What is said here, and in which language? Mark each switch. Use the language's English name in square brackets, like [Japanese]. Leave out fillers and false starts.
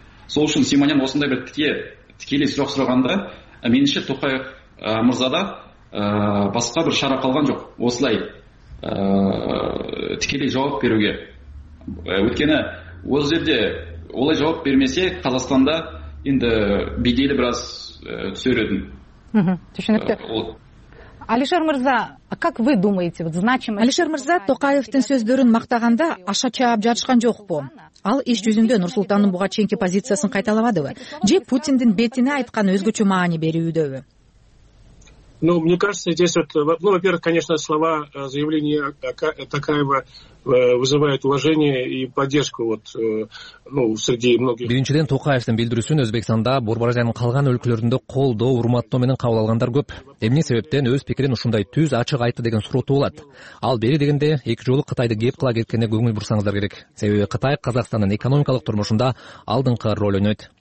[Kazakh] Сол үшін Симоньян осындай бір тікелей сұрақ сұрағанда, меніңше Тоқаев мырзада басқа бір шара қалған жоқ осылай тікелей жауап беруге. Өйткені осы жерде олай жауап бермесе Қазақстанда енді беделі біраз түсер еді. Түсінікті. [Russian] Алишер Мырза, как вы думаете, вот значимость... [Kyrgyz] Алишер Мырза Токаевтын сөздөрүн мактаганда аша чаап жатышкан жокпу? Ал иш жүзүндө Нурсултандын буга чейинки позициясын кайталабадыбы? Же Путиндин бетине айткан өзгөчө маани берүүдөбү? [Russian] Ну, мне кажется, здесь вот, ну, во-первых, конечно, слова, заявления Токаева вызывают уважение и поддержку вот, ну, среди многих. [Kyrgyz] Биринчиден Токаевтын билдирүүсүн Өзбекстанда, Борбаражайдын калган өлкөлөрүндө колдоо, урматтоо менен кабыл алгандар көп. Эмне себептен өз пикирин ушундай түз ачык айтты деген суроо туулат? Ал бери дегенде эки жолу Кытайды кеп кыла кеткенде көңүл бурсаңыздар керек. Себеби Кытай Казакстандын экономикалык турмушунда алдыңкы роль ойнойт.